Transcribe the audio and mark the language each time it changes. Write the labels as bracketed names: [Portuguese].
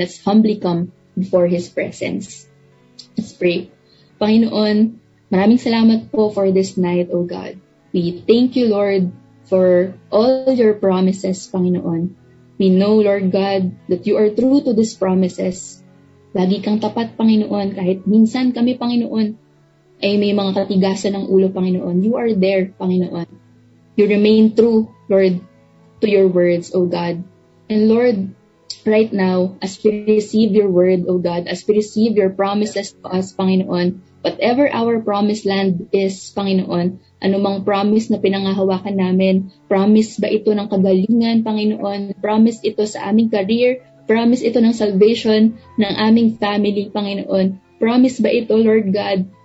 [English] Let's humbly come before His presence. Let's pray. Panginoon, [Filipino] maraming salamat po [English] for this night, O God. We thank you, Lord, for all your promises, Panginoon. We know, Lord God, that you are true to these promises. [Filipino] Lagi kang tapat, Panginoon, kahit minsan kami, Panginoon, ay may mga katigasan ng ulo, Panginoon. [English] You are there, Panginoon. You remain true, Lord, to your words, O God. And Lord, right now, as we receive your word, O God, as we receive your promises to us, Panginoon, whatever our promised land is, Panginoon, [Filipino] anumang promise na pinangahawakan namin, promise ba ito ng kagalingan, [English] Panginoon, [Filipino] promise ito sa aming career, promise ito ng salvation ng aming family, [English] Panginoon, [Filipino] promise ba ito, [English] Lord God,